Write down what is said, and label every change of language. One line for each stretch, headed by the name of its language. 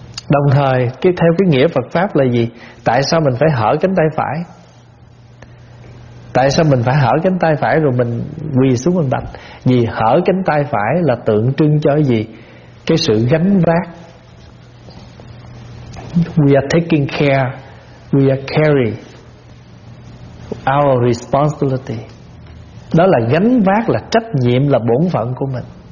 Vietnamese: Đồng thời cái theo cái nghĩa Phật pháp là gì? Tại sao mình phải hở cánh tay phải? Tại sao mình phải hở cánh tay phải rồi mình quỳ xuống mình bạch? Vì hở cánh tay phải là tượng trưng cho gì? Cái sự gánh vác.
English: We are taking care, we are carrying our responsibility.
Vietnamese: Đó là gánh vác, là trách nhiệm, là bổn phận của mình.